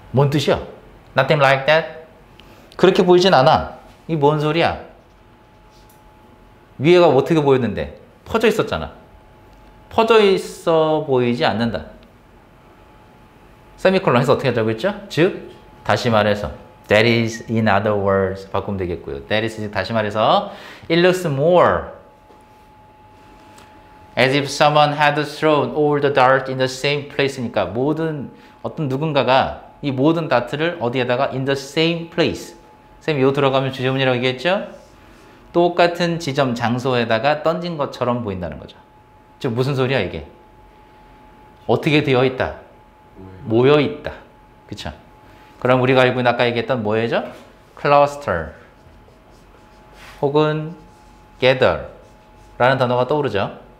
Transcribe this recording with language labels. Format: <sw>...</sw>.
<ko>뭔 뜻이야?</ko> <en>Nothing like that?</en> <ko>그렇게 보이진 않아. 이게 뭔 소리야? 위에가 어떻게 보였는데? 퍼져 있었잖아. 퍼져 있어 보이지 않는다. 세미콜론 해서 어떻게 하자고 했죠? 즉, 다시 말해서</ko> <en>That is, in other words,</en> <ko>바꾸면 되겠고요.</ko> <en>That is,</en> <ko>다시 말해서,</ko> <en>It looks more as if someone had thrown all the darts in the same place니까</en> <ko>모든, 어떤 누군가가 이 모든 다트를 어디에다가</ko> <en>in the same place.</en> <ko>쌤, 요 들어가면 주제문이라고 얘기했죠? 똑같은 지점, 장소에다가 던진 것처럼 보인다는 거죠. 지금 무슨 소리야, 이게? 어떻게 되어 있다? 모여 있다. 그쵸? 그럼 우리가 알고 있는 아까 얘기했던 뭐예요? cluster 혹은 gather 라는 단어가 떠오르죠.</ko>